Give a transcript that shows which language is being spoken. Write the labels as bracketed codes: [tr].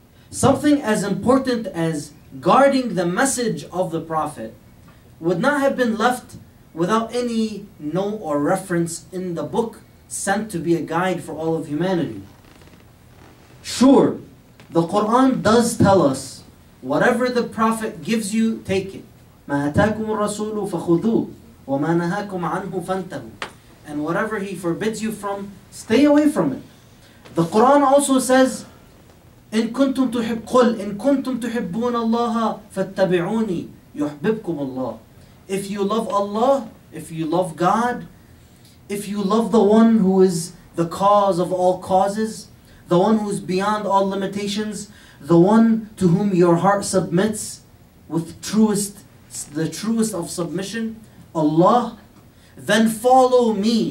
[en] Something as important as guarding the message of the Prophet would not have been left without any note or reference in the book sent to be a guide for all of humanity. Sure, the Quran does tell us, whatever the Prophet gives you, take it. [ar] مَا أَتَاكُمُ الرَّسُولُ فَخُذُوهُ وَمَا نَهَاكُمْ عَنْهُ فَانْتَهُوا. [en] And whatever he forbids you from, stay away from it. The Quran also says, [ar] إِن كُنْتُمْ تُحِبْقُلْ إِن كُنْتُمْ تُحِبُّونَ اللَّهَ فَاتَّبِعُونِي يُحْبِبْكُمُ اللَّهُ. [en] If you love Allah, if you love God, if you love the one who is the cause of all causes, the one who is beyond all limitations, the one to whom your heart submits with the truest of submission, Allah, then follow me.